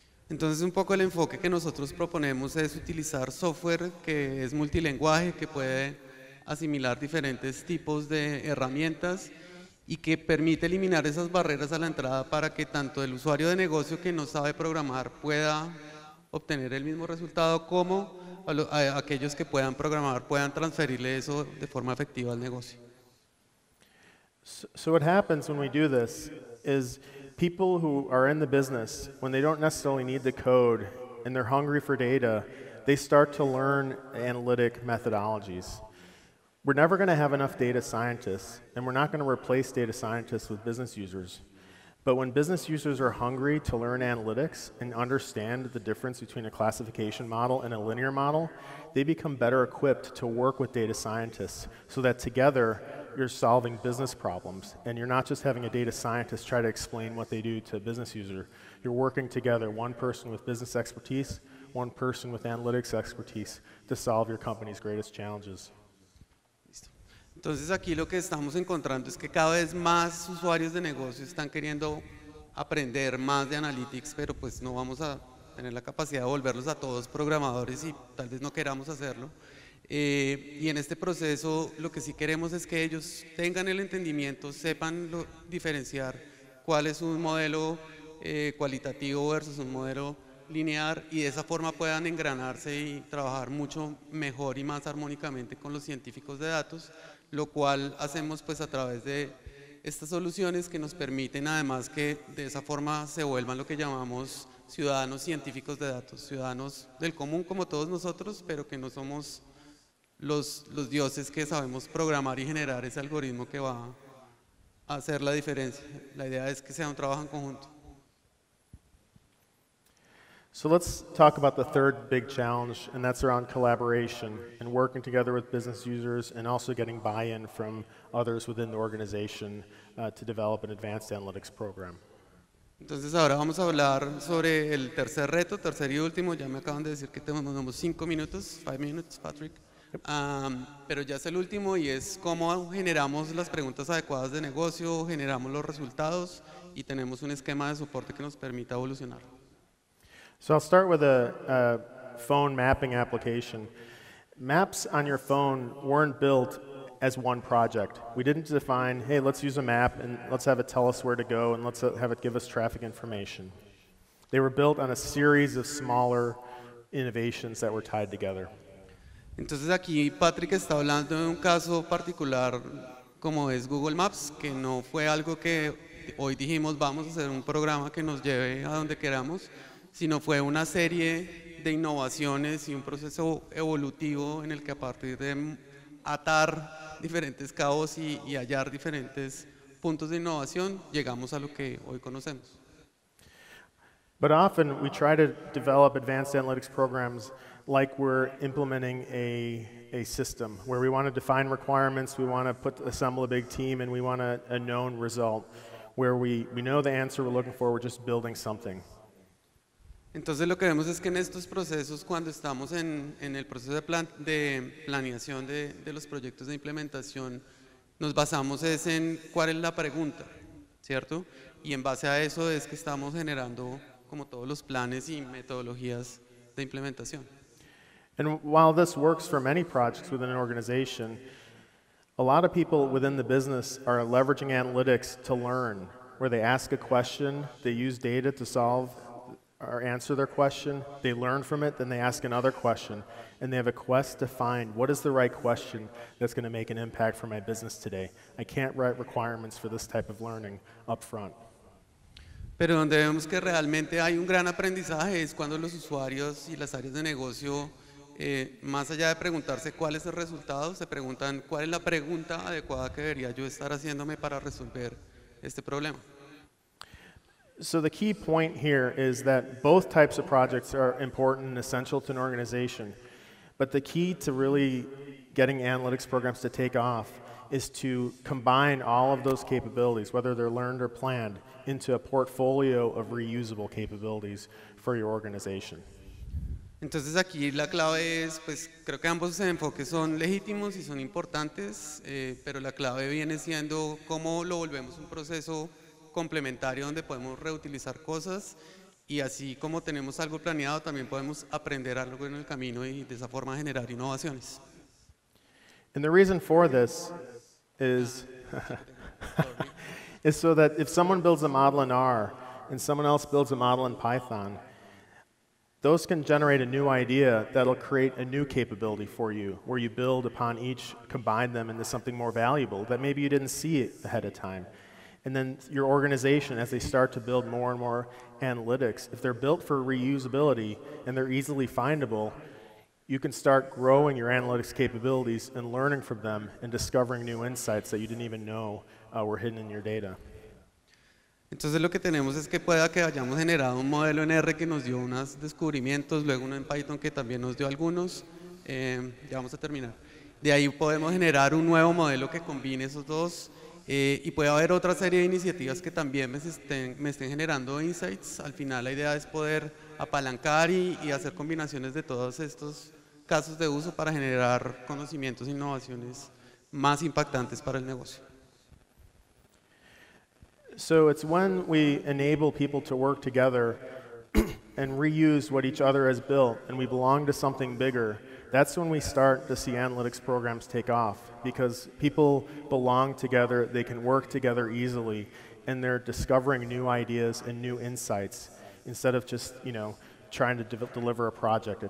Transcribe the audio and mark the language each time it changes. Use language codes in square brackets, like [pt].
[es] Entonces, un poco el enfoque que nosotros proponemos es utilizar software que es multilenguaje, que puede asimilar diferentes tipos de herramientas y que permite eliminar esas barreras a la entrada para que tanto el usuario de negocio que no sabe programar pueda obtener el mismo resultado como a aquellos que puedan programar puedan transferirle eso de forma efectiva al negocio. [en] So what happens when we do this is people who are in the business, when they don't necessarily need the code and they're hungry for data, they start to learn analytic methodologies. We're never going to have enough data scientists, and we're not going to replace data scientists with business users. But when business users are hungry to learn analytics and understand the difference between a classification model and a linear model, they become better equipped to work with data scientists so that together you're solving business problems and you're not just having a data scientist try to explain what they do to a business user. You're working together, one person with business expertise, one person with analytics expertise, to solve your company's greatest challenges. [es] Entonces aquí lo que estamos encontrando es que cada vez más usuarios de negocios están queriendo aprender más de analytics, pero pues no vamos a tener la capacidad de volverlos a todos programadores y tal vez no queramos hacerlo. Y en este proceso lo que sí queremos es que ellos tengan el entendimiento, sepan diferenciar cuál es un modelo cualitativo versus un modelo lineal y de esa forma puedan engranarse y trabajar mucho mejor y más armónicamente con los científicos de datos, lo cual hacemos pues a través de estas soluciones que nos permiten además que de esa forma se vuelvan lo que llamamos ciudadanos científicos de datos, ciudadanos del común como todos nosotros, pero que no somos los dioses que sabemos programar y generar ese algoritmo que va a hacer la diferencia. La idea es que sea un trabajo en conjunto. [en] So let's talk about the third big challenge, and that's around collaboration and working together with business users and also getting buy-in from others within the organization to develop an advanced analytics program. [es] Entonces ahora vamos a hablar sobre el tercer reto, tercer y último. Ya me acaban de decir que tenemos [en] 5 minutes, [es] Patrick. Pero ya es el último y es cómo generamos las preguntas adecuadas de negocio, generamos los resultados y tenemos un esquema de soporte que nos permita evolucionar. [en] So I'll start with a phone mapping application. Maps on your phone weren't built as one project. We didn't define, hey, let's use a map and let's have it tell us where to go and let's have it give us traffic information. They were built on a series of smaller innovations that were tied together. [es] Entonces aquí Patrick está hablando de un caso particular como es Google Maps, que no fue algo que hoy dijimos vamos a hacer un programa que nos lleve a donde queramos, sino fue una serie de innovaciones y un proceso evolutivo en el que a partir de atar diferentes cabos y hallar diferentes puntos de innovación, llegamos a lo que hoy conocemos. [en] But often we try to develop advanced analytics programs like we're implementing a system where we want to define requirements, we want to assemble a big team, and we want a known result where we know the answer we're looking for, we're just building something. [es] Entonces lo que vemos es que en estos procesos, cuando estamos en el proceso de planeación de los proyectos de implementación, nos basamos es en cuál es la pregunta, ¿cierto? Y en base a eso es que estamos generando como todos los planes y metodologías de implementación. [en] And while this works for many projects within an organization, a lot of people within the business are leveraging analytics to learn, where they ask a question, they use data to solve or answer their question, they learn from it, then they ask another question, and they have a quest to find what is the right question that's going to make an impact for my business today. I can't write requirements for this type of learning up front. [es] Pero donde vemos que realmente hay un gran aprendizaje es cuando los usuarios y las áreas de negocio más allá de preguntarse cuál es el resultado, se preguntan cuál es la pregunta adecuada que debería yo estar haciéndome para resolver este problema. [en] So the key point here is that both types of projects are important and essential to an organization, but the key to really getting analytics programs to take off is to combine all of those capabilities, whether they're learned or planned, into a portfolio of reusable capabilities for your organization. [es] Entonces aquí la clave es, pues creo que ambos enfoques son legítimos y son importantes, pero la clave viene siendo cómo lo volvemos un proceso complementario donde podemos reutilizar cosas y así como tenemos algo planeado también podemos aprender algo en el camino y de esa forma generar innovaciones. [en] And the reason for this is is so that if someone builds a model in R and someone else builds a model in Python, those can generate a new idea that'll create a new capability for you, where you build upon each, combine them into something more valuable that maybe you didn't see ahead of time. And then your organization, as they start to build more and more analytics, if they're built for reusability and they're easily findable, you can start growing your analytics capabilities and learning from them and discovering new insights that you didn't even know were hidden in your data. [es] Entonces lo que tenemos es que pueda que hayamos generado un modelo en R que nos dio unos descubrimientos, luego uno en Python que también nos dio algunos. Ya vamos a terminar. De ahí podemos generar un nuevo modelo que combine esos dos y puede haber otra serie de iniciativas que también me estén generando insights. Al final la idea es poder apalancar y hacer combinaciones de todos estos casos de uso para generar conocimientos e innovaciones más impactantes para el negocio. [en] So it's when we enable people to work together and reuse what each other has built and we belong to something bigger, that's when we start to see analytics programs take off, because people belong together, they can work together easily, and they're discovering new ideas and new insights instead of just, you know, trying to deliver a project.